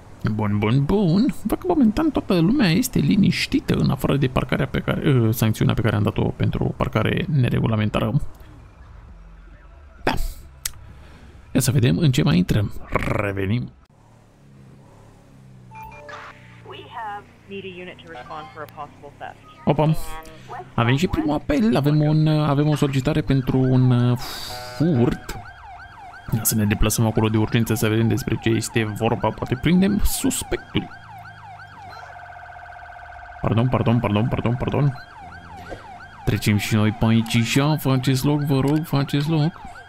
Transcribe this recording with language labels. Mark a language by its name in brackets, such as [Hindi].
[Romanian] Bun. Văd că momentan toată lumea este liniștită, în afară de parcarea pe care, sancțiunea pe care am dat-o pentru parcare neregulamentară. Da. Ia să vedem în ce mai intrăm. Revenim. [English] We have need a unit to respond for a possible theft. [Romanian] Opa. Avem și primul apel, avem o solicitare pentru un furt. Ia să ne deplasăm acolo de urgență să vedem despre ce este vorba, poate prindem suspectul. Pardon. Trecem și noi pe aici și așa, faceți loc, vă rog, faceți loc.